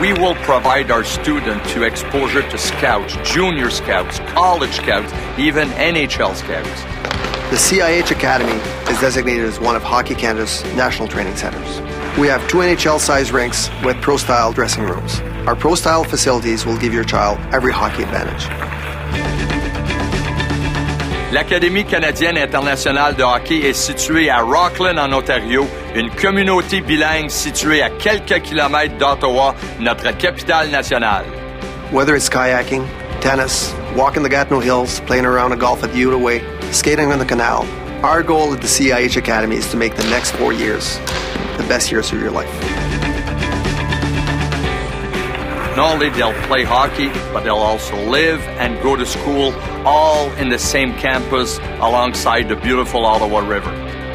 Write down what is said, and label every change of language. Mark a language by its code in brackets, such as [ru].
[en] We will provide our students to exposure to scouts, junior scouts, college scouts, even NHL scouts. The CIH Academy is designated as one of Hockey Canada's national training centers. We have two NHL-sized rinks with pro-style dressing rooms. Our pro-style facilities will give your child every hockey advantage. [fr] L'Académie canadienne internationale de hockey est située à Rockland, en Ontario, une communauté bilingue située à quelques kilomètres d'Ottawa, notre capitale nationale. [en] Whether it's kayaking, tennis, walking the Gatineau Hills, playing around a golf at the Outaouais, skating on the canal, our goal at the CIH Academy is to make the next 4 years the best years of your life. Not only they'll play hockey, but they'll also live and go to school all in the same campus alongside the beautiful Ottawa River.